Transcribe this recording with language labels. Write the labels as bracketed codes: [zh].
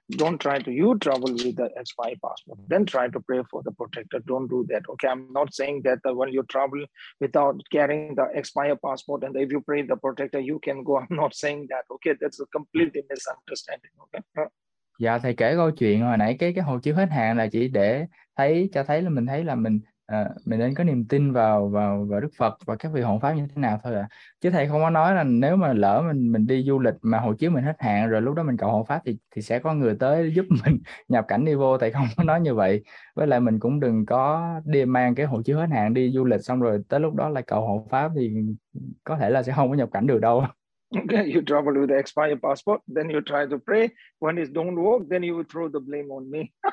[en] Don't try to you travel with the expired passport, then try to pray for the protector. Don't do that, okay? I'm not saying that when you travel without carrying the expired passport and if you pray the protector you can go. I'm not saying that, okay? That's a completely misunderstanding, okay? [vi] Dạ, thầy kể câu chuyện hồi nãy cái hộ chiếu hết hạn là chỉ để thấy là mình mình nên có niềm tin vào Đức Phật và các vị hộ pháp như thế nào thôi ạ. Chứ thầy không có nói là nếu mà lỡ mình đi du lịch mà hộ chiếu mình hết hạn rồi lúc đó mình cầu hộ pháp thì sẽ có người tới giúp mình nhập cảnh đi vô. Thầy không có nói như vậy. Với lại mình cũng đừng có đi mang cái hộ chiếu hết hạn đi du lịch xong rồi tới lúc đó lại cầu hộ pháp thì có thể là sẽ không có nhập cảnh được đâu. [en] Okay, you travel with the expired passport, then you try to pray. When it don't work, then you will throw the blame on me.